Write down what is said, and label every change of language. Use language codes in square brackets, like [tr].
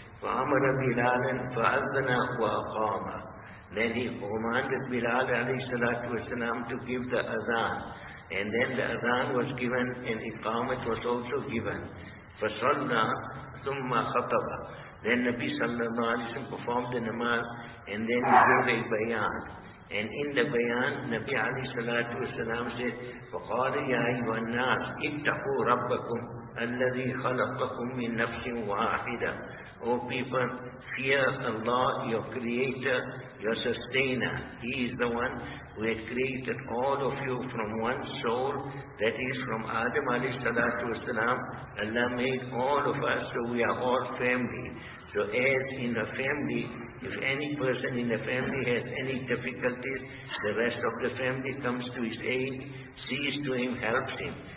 [ar] فَأَمَرَ بِلَالًا فَأَذْنَا وَأَقَامَ. [en] Then he commanded Bilal alayhi salatu wasalam to give the azan. And then the azan was given and iqamat was also given. [ar] فَصَلَّى ثُمَّ خَطَبَ. [en] Then Nabi sallallahu alayhi wa sallam performed the namaz and then he gave a bayan. And in the bayan, Nabi alayhi salatu wasalam said, [ar] فَقَالَ يَا أَيُّهَا النَّاسُ اتَّقُوا رَبَّكُمْ الَّذِي خَلَقَكُمْ مِنْ نَفْسٍ وَاحِدًا. [en] O people, fear Allah, your creator, your sustainer. He is the one who had created all of you from one soul, that is from Adam alayhi salatu wasalam. Allah made all of us, so we are all family. So as in a family, if any person in the family has any difficulties, the rest of the family comes to his aid, sees to him, helps him.